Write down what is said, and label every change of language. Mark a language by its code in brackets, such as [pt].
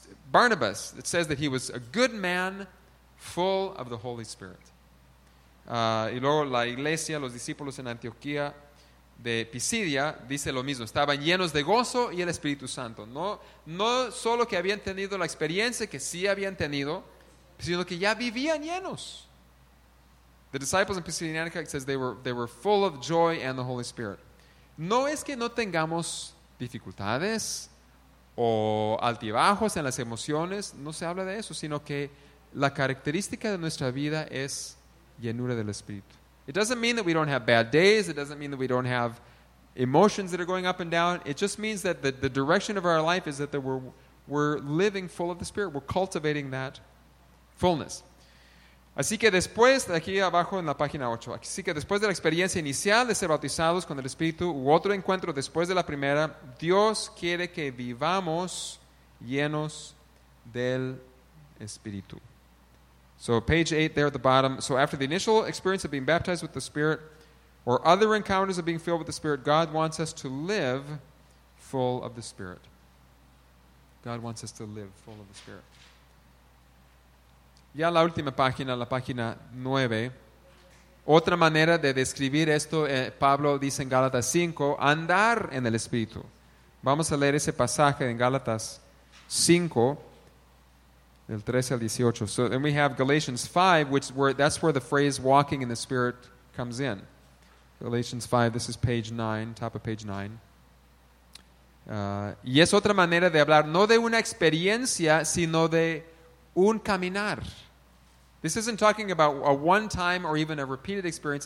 [en] Barnabas, it says that he was a good man, full of the Holy Spirit. [es] Y luego la iglesia, los discípulos en Antioquía de Pisidia, dice lo mismo, estaban llenos de gozo y el Espíritu Santo. No solo que habían tenido la experiencia que sí habían tenido, sino que ya vivían llenos. [en] The disciples in Pisidia and Antioquia, it says they were full of joy and the Holy Spirit. [es] No es que no tengamos dificultades o altibajos en las emociones, no se habla de eso, sino que la característica de nuestra vida es llenura del Espíritu. [en] It doesn't mean that we don't have bad days. It doesn't mean that we don't have emotions that are going up and down. It just means that the direction of our life is that we're living full of the Spirit. We're cultivating that fullness. [es] Así que después, aquí abajo en la página 8, así que después de la experiencia inicial de ser bautizados con el Espíritu u otro encuentro después de la primera, Dios quiere que vivamos llenos del Espíritu. [en] So page 8 there at the bottom. So after the initial experience of being baptized with the Spirit or other encounters of being filled with the Spirit, God wants us to live full of the Spirit. God wants us to live full of the Spirit. [es] Ya la última página, la página 9. Otra manera de describir esto, Pablo dice en Gálatas 5, andar en el Espíritu. Vamos a leer ese pasaje en Gálatas 5, del 13 al 18. [en] So then we have Galatians 5, that's where the phrase walking in the Spirit comes in. Galatians 5, this is page 9, top of page 9. [es] Y es otra manera de hablar, no de una experiencia, sino de un caminar. [en] This isn't talking about a one-time or even a repeated experience.